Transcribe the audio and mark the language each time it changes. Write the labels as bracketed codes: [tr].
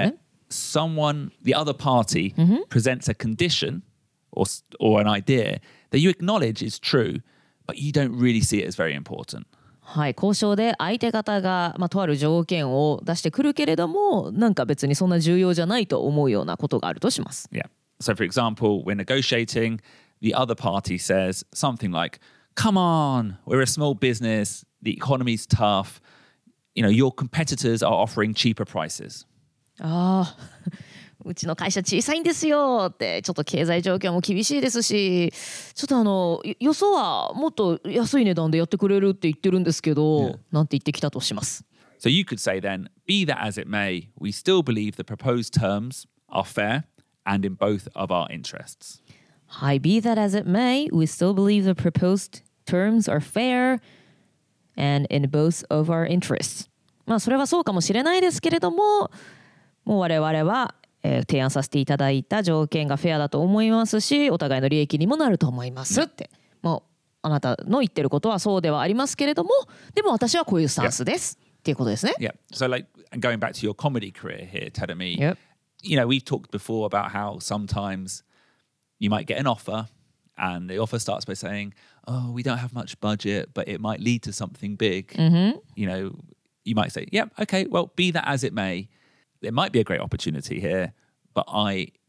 [en] Where someone, the other party, presents a condition or an idea that you acknowledge is true, but you don't really see it as very important. [ja] はい、交渉で相手方が、まあ、とある条件を出してくるけれどもなんか別にそんな重要じゃないと思うようなことがあるとします。 [en] Yeah. So for example, we're negotiating, the other party says something like, Come on, we're a small business, the economy's tough, you know, your competitors are offering cheaper prices. [ja] ああ、うちの会社小さいんですよってちょっと経済状況も厳しいですしちょっとあのよそはもっと安い値段でやってくれるって言ってるんですけど、yeah. なんて言ってきたとします [en] So you could say then Be that as it may We still believe the proposed terms are fair And in both of our interests Hi, be that as it may We still believe the proposed terms are fair And in both of our interests [ja] まあそれはそうかもしれないですけれどももう我々は提案させていただいた条件がフェアだと思いますしお互いの利益にもなると思いますって、yeah. もうあなたの言ってることはそうではありますけれどもでも私はこういうスタンスです、yeah. っていうことですね [en] Yeah, so like going back to your comedy career here, Terumi、 yep. You know, we've talked before about how sometimes you might get an offer and the offer starts by saying Oh, we don't have much budget but it might lead to something big、 mm-hmm. You know, you might say Yeah, okay, well, be that as it mayIt might be a great opportunity here, but I